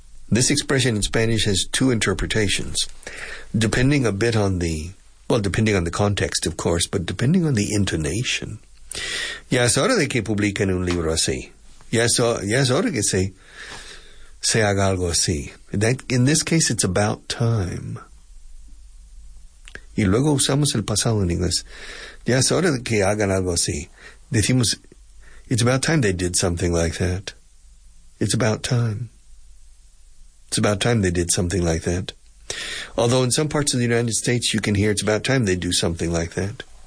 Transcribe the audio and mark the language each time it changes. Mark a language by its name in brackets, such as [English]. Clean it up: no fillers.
[English] This expression in Spanish has two interpretations, depending on the context, of course, but depending on the intonation. [Spanish] Ya es hora de que publiquen un libro así. Ya es hora que se haga algo así. [English] That, in this case, it's about time. [Spanish] Y luego usamos el pasado en inglés. Ya es hora de que hagan algo así. Decimos, [English] it's about time they did something like that. It's about time they did something like that. Although in some parts of the United States you can hear it's about time they do something like that.